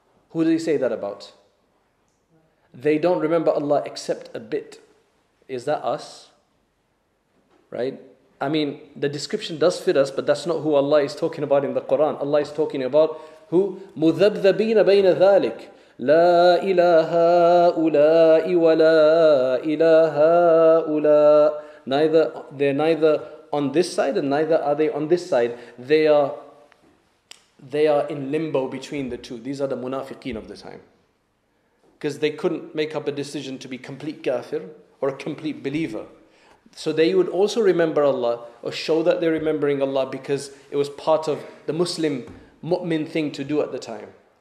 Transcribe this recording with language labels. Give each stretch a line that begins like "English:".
English: Who did he say that about? They don't remember Allah except a bit. Is that us? Right? I mean, the description does fit us, but that's not who Allah is talking about in the Quran. Allah is talking about who?
Arabic: مُذَبْذَبِينَ بَيْنَ ذَلِكَ. لا إله هؤلاء ولا إله هؤلاء.
English: They're neither on this side and neither are they on this side. They are in limbo between the two. These are the munafiqeen of the time. Because they couldn't make up a decision to be complete kafir or a complete believer. So they would also remember Allah or show that they're remembering Allah because it was part of the Muslim mu'min thing to do at the time.